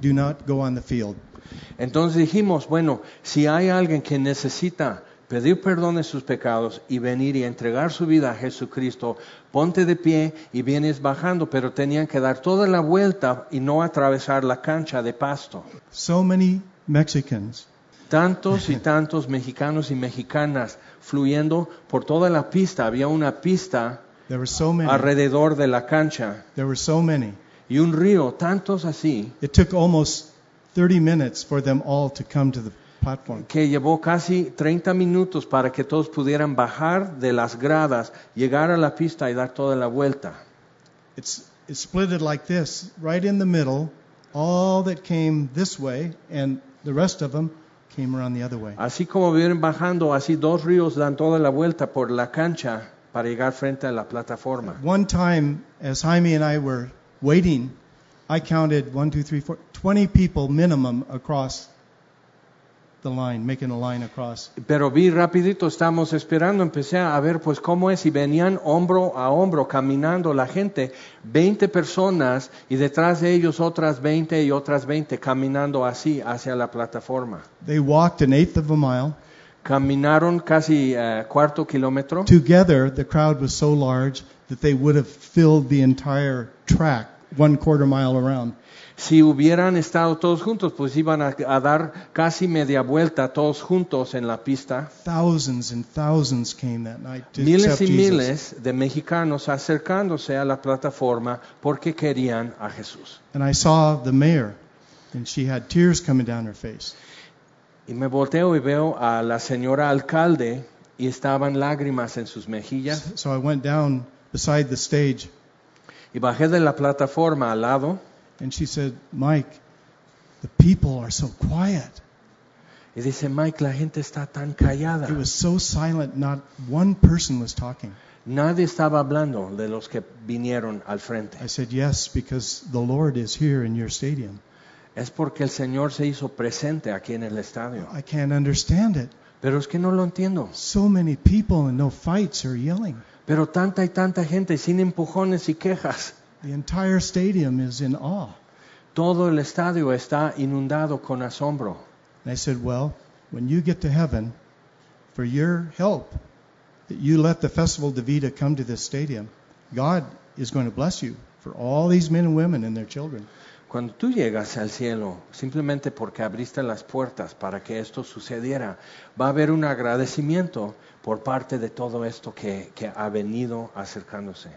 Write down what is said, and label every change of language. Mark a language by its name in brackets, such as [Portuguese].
[English] Do not go on the field. [Spanish] Entonces dijimos, bueno, si hay alguien que necesita pedir perdón de sus pecados y venir y entregar su vida a Jesucristo, ponte de pie y vienes bajando, pero tenían que dar toda la vuelta y no atravesar la cancha de pasto. [English] So many Mexicans. [Spanish] Tantos y tantos mexicanos y mexicanas fluyendo por toda la pista. Había una pista alrededor de la cancha. [English] There were so many. [Spanish] Y un río, tantos así. [English] It took almost 30 minutes for them all to come to the platform. [Spanish] Que llevó casi 30 minutos para que todos pudieran bajar de las gradas, llegar a la pista y dar toda la vuelta. [English] It's split it like this, right in the middle, all that came this way and the rest of them came around the other way. [Spanish] Así como vienen bajando, así dos ríos dan toda la vuelta por la cancha para llegar frente a la plataforma. [English] One time as Jaime and I were waiting, I counted 1, 2, 3, 4, 20 people minimum across the line, making a line across. [Spanish] Pero vi rapidito, estamos esperando, empecé a ver pues cómo es, y venían hombro a hombro caminando la gente, 20 personas, y detrás de ellos otras 20 y otras 20 caminando así hacia la plataforma. [English] They walked an eighth of a mile. [Spanish] Caminaron casi cuarto kilómetro. [English] Together, the crowd was so large that they would have filled the entire track. 1/4 mile around. [Spanish] Si hubieran estado todos juntos, pues iban a dar casi media vuelta todos juntos en la pista. [English] Thousands and thousands came that night to accept Jesus. [Spanish] Miles y miles de mexicanos acercándose a la plataforma porque querían a Jesús. [English] And I saw the mayor, and she had tears coming down her face. [Spanish] Y me volteo y veo a la señora alcalde y estaban lágrimas en sus mejillas. [English] So I went down beside the stage. [Spanish] Y bajé de la plataforma al lado. [English] And she said, Mike, the people are so quiet. [Spanish] Y dice, Mike, la gente está tan callada. [English] It was so silent, not one person was talking. [Spanish] Nadie estaba hablando de los que vinieron al frente. [English] I said, yes, because the Lord is here in your stadium. [Spanish] Es porque el Señor se hizo presente aquí en el estadio. [English] I can't understand it. [Spanish] Pero es que no lo entiendo. [English] So many people and no fights or yelling. [Spanish] Pero tanta y tanta gente sin empujones y quejas. [English] The entire stadium is in awe. [Spanish] Todo el estadio está inundado con asombro. [English] And I said, well, when you get to heaven, for your help, that you let the Festival de Vida come to this stadium, God is going to bless you for all these men and women and their children. [Spanish] Cuando tú llegas al cielo, simplemente porque abriste las puertas para que esto sucediera, va a haber un agradecimiento por parte de todo esto que ha venido acercándose.